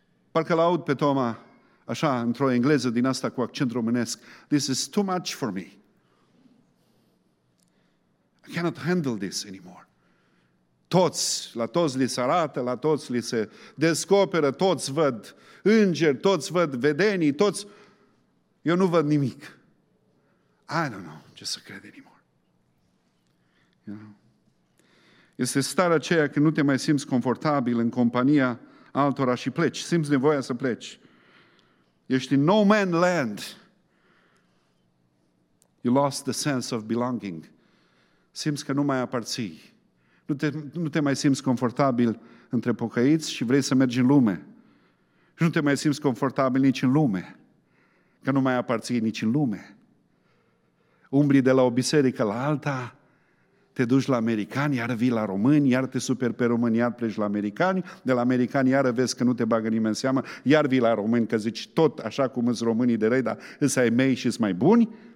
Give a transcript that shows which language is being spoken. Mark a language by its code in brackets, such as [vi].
[ro] Parcă l-aud pe Toma, așa, într-o engleză din asta cu accent românesc, [en] this is too much for me. I cannot handle this anymore. [ro] toți, la toți li se arată, la toți li se descoperă, toți văd îngeri, toți văd vedenii, toți... Eu nu văd nimic. [en] I don't know [ro] ce să cred [en] anymore. You know? [ro] Este starea aceea când nu te mai simți confortabil în compania altora și pleci, simți nevoia să pleci. Ești [en] in no man land. You lost the sense of belonging. [ro] Simți că nu mai aparții. Nu te mai simți confortabil între pocăiți și vrei să mergi în lume. Și nu te mai simți confortabil nici în lume. Că nu mai aparții nici în lume. Umbri de la o biserică la alta, te duci la americani, iar vii la români, iar te superi pe români, iar pleci la americani, de la americani iar vezi că nu te bagă nimeni în seamă, iar vii la români, că zici tot așa cum îți românii de răi, dar îți ai mei și îți mai buni.